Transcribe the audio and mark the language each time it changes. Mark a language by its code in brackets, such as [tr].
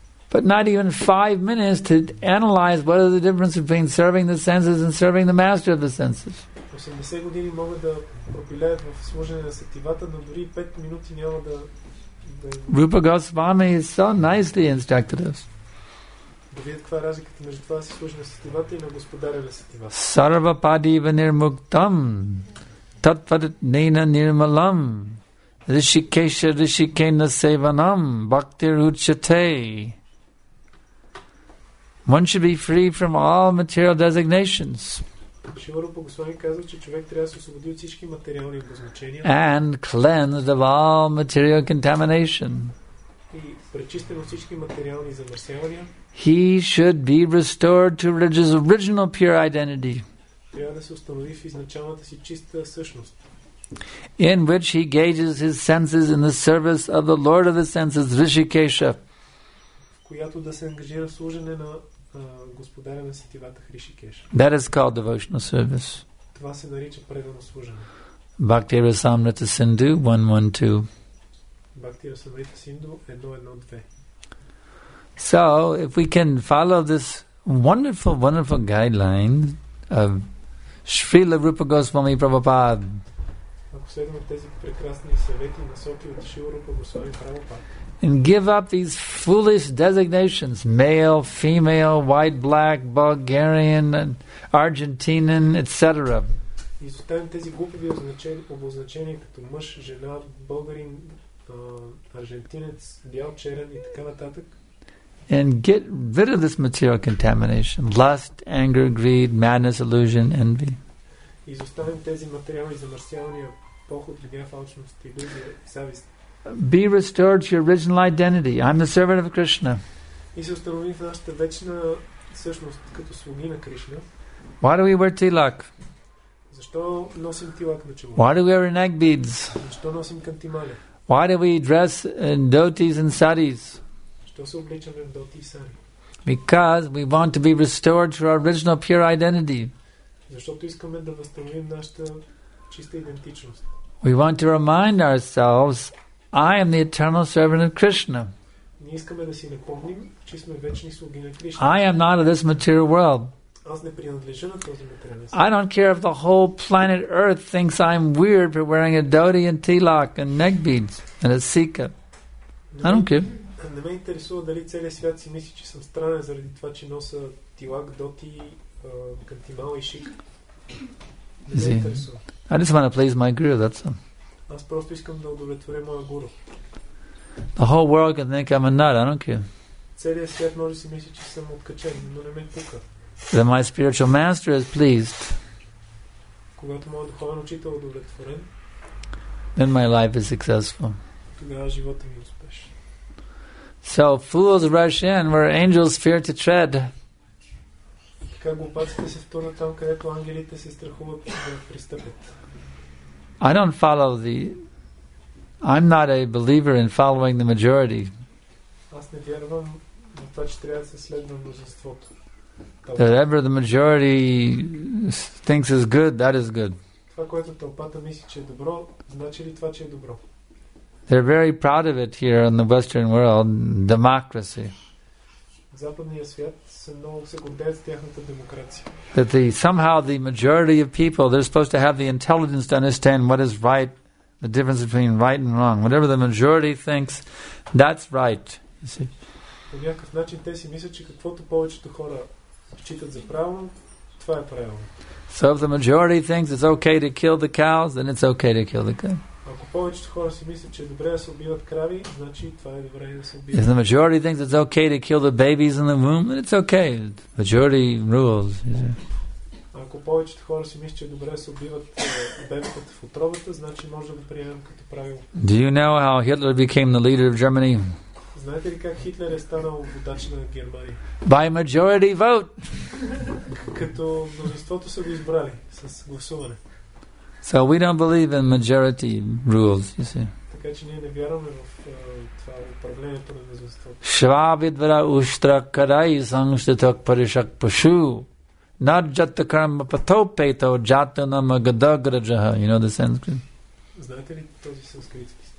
[en] But not even 5 minutes to analyze what is the difference between serving the senses and serving the master of the senses. [bg] 80 години могат да пропилеят в служене на сетивата, но дори 5 минути няма да... [en] Rupa Goswami is so nicely instructed us. [bg] Да видят каква е разликата между това да си служи на сетивата и на господаря на сетивата. [sa] Sarva padiva nirmuktam tatvat nena nirmalam rishikesha rishikena sevanam bhaktir uchate. [en] One should be free from all material designations. [bg] Шиварупа Госвами казва, че човек трябва да се освободи от всички материални обозначения. [en] And cleansed of all material contamination. [bg] И пречистен от всички материални замърсявания. [en] He should be restored to his original pure identity. [bg] Трябва да се установи в изначалната си чиста същност. [en] In which he gauges his senses in the service of the Lord of the senses, Rishikesha. [bg] Която да се ангажира в служене на господаря на сетивата Хришикеша. [en] That is called devotional service. [bg] Това се нарича предано служене. [en] Bhakti Rasamrita Sindhu 112. Bhakti Rasamrita Sindhu 112. So, if we can follow this wonderful, wonderful guideline of Srila Rupa Goswami Prabhupada. [bg] Ако следим тези прекрасни съвети и насоки от Шрила Рупа Госвами Прабхупада. [en] And give up these foolish designations, male, female, white, black, Bulgarian, and Argentinian, etc. [bg] И оставим тези глупави обозначения като мъж, жена, българин, аржентинец, бял, черен и така нататък. [en] And get rid of this material contamination, lust, anger, greed, madness, illusion, envy. [bg] И оставим тези материални замърсявания, поход, гняв, алчност, илюзия, завист. [en] be restored to your original identity. I'm the servant of Krishna. [bg] И се установи в нашата вечна същност като слуги на Кришна. [en] Why do we wear tilak? [bg] Защо носим тилак на челото? [en] Why do we wear neck beads? [bg] Защо носим кантимали? [en] Why do we dress in dhotis and saris? [bg] Защо се облечаме в доти и сари? [en] Because we want to be restored to our original pure identity. [bg] Защото искаме да възстановим нашата чиста идентичност. [en] We want to remind ourselves, I am the eternal servant of Krishna. [bg] Ние искаме да си напомним, че сме вечни слуги на Кришна. [en] I am not of this material world. [bg] Аз не принадлежа на този материален свят. [en] I don't care if the whole planet Earth thinks I'm weird for wearing a dhoti and tilak and neck beads and a sikha. I don't care. [bg] Не ме интересува дали целият свят си мисли, че съм странен заради това, че носа тилак, доти, кантимал и шик. [en] I just want to please my guru, that's all. [bg] Аз просто искам да удовлетворя моя гуру. [en] The whole world can think I'm a nut, I don't care. [bg] Целият свят може си мисли, че съм откачен, но не ме пука. [en] Then my spiritual master is pleased. [bg] Когато моят духовен учител е удовлетворен, [en] then my life is successful. [bg] Тогава живота ми е успешен. [en] So fools rush in where angels fear to tread. [bg] Така глупаците се втурнат там, където ангелите се страхуват да пристъпят. [en] I don't follow the... I'm not a believer in following the majority. [bg] Аз не вярвам на това, че трябва да се следва мнозинството. [en] That ever the majority thinks is good, that is good. [bg] Това, което тълпата мисли, че е добро, значи ли това, че е добро? [en] They're very proud of it here in the Western world, democracy. [bg] В западния свят са много се гордеят с тяхната демокрация. [en] That the, somehow the majority of people, they're supposed to have the intelligence to understand what is right, the difference between right and wrong. Whatever the majority thinks, that's right. You see? [bg] По някакъв начин те си мислят, че каквото повечето хора считат за правилно, това е правилно. [en] So if the majority thinks it's okay to kill the cows, then it's okay to kill the cow. [bg] Ако повечето хора си мислят, че е добре да се убиват крави, значи това е добре да се убиват. [en] If the majority thinks it's okay to kill the babies in the womb, then it's okay. Majority rules. [bg] Ако повечето хора си мислят, че е добре да се убиват бебетата в утробата, значи може да го приемем като правило. [en] Do you know how Hitler became the leader of Germany? [bg] Знаете ли как Хитлер е станал водач на Германия? [en] By majority vote. [bg] Като мнозинството са го избрали с гласуване. [en] So we don't believe in majority rules, you see. [bg] Така че ние не вярваме в това управлението на мнозинството. [sa] Швабидвара уштра карай санштиток паришак пашу. Наджата карма патопейто джата нама гадаграджаха. [en] You know the Sanskrit? [bg] Знаете ли този санскрит?